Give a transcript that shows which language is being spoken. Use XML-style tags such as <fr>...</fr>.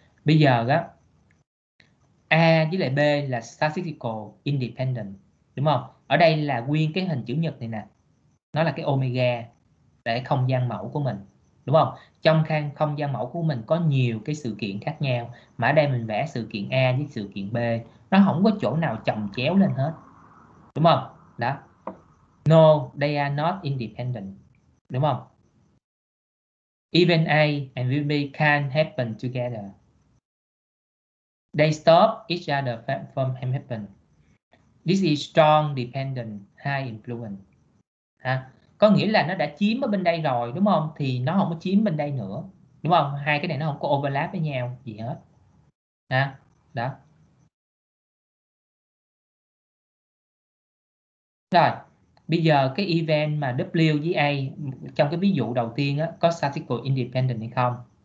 <vi>Bây giờ đó A với lại B là statistical independent đúng không, ở đây là nguyên cái hình chữ nhật này nè, nó là cái omega để không gian mẫu của mình đúng không, trong không gian mẫu của mình có nhiều cái sự kiện khác nhau, mà ở đây mình vẽ sự kiện A với sự kiện B nó không có chỗ nào chồng chéo lên hết đúng không.</vi> <en>Đó no, they are not independent.</en> <vi>Đúng không?</vi> <en>Event A and event B can happen together. They stop each other from happen. This is strong dependent, high influence. Ha?</en> <vi>Có nghĩa là nó đã chiếm ở bên đây rồi, đúng không? Thì nó không có chiếm bên đây nữa. Đúng không? Hai cái này nó không có overlap với nhau gì hết. Ha? Đó. Rồi. Bây giờ cái event mà W với A trong cái ví dụ đầu tiên á, có statistical independent hay không?</vi>